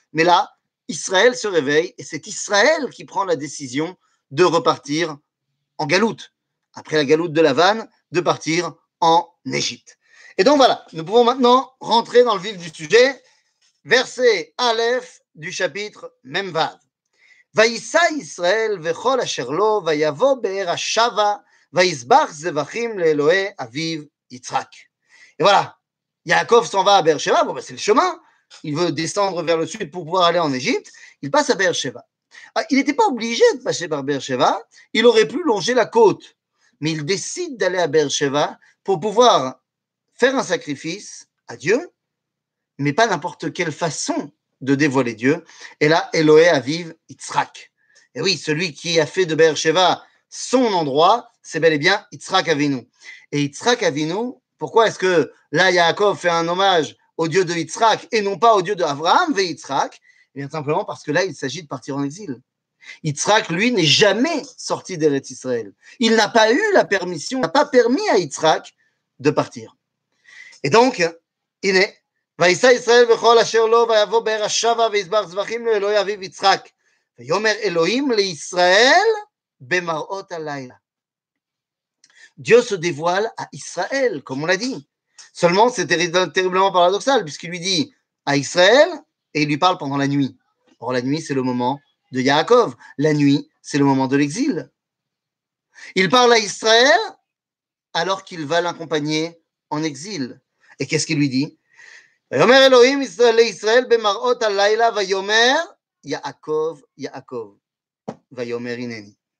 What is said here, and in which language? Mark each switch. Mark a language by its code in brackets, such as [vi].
[fr] Mais là, Israël se réveille et c'est Israël qui prend la décision de repartir en galoute. Après la galoute de la vanne, de partir en Égypte. Et donc voilà, nous pouvons maintenant rentrer dans le vif du sujet. Verset Aleph du chapitre Memvav. [he] ויישא ישראל וכל אשר לו, ויבוא באר השבה, ויזבח זבחים לאלוהי אביו יצחק. [fr] Et voilà, Yaakov s'en va à Beersheba, bon ben c'est le chemin, il veut descendre vers le sud pour pouvoir aller en Égypte, il passe à Beersheba. Il n'était pas obligé de passer par Beersheba, il aurait pu longer la côte, mais il décide d'aller à Beersheba pour pouvoir faire un sacrifice à Dieu, mais pas n'importe quelle façon de dévoiler Dieu. Et là, [he] Elohe Aviv Yitzhak. [fr] Et oui, celui qui a fait de Beersheba son endroit, c'est bel et bien Yitzhak Avinu. Et Yitzhak Avinu, pourquoi est-ce que là, Yaakov fait un hommage au dieu de Yitzhak et non pas au dieu d'Abraham ve Yitzhak ? Eh bien, simplement parce que là, il s'agit de partir en exil. Yitzhak, lui, n'est jamais sorti d'Eretz Israël. Il n'a pas eu la permission, il n'a pas permis à Yitzhak de partir. Et donc, il est [he] ויישא ישראל וכל אשר לו, ויבוא באר השבה, ויזבח זבחים לאלוהי אביו יצחק. ויאמר אלוהים לישראל במראות הלילה. [fr] Dieu se dévoile à Israël, comme on l'a dit. Seulement, c'est terriblement paradoxal, puisqu'il lui dit à Israël, et il lui parle pendant la nuit. Or, la nuit, c'est le moment de Yaakov. La nuit, c'est le moment de l'exil. Il parle à Israël, alors qu'il va l'accompagner en exil. Et qu'est-ce qu'il lui dit ? [he] ויאמר אלוהים לישראל במראות הלילה, ויאמר יעקב, יעקב, ויאמר הנני.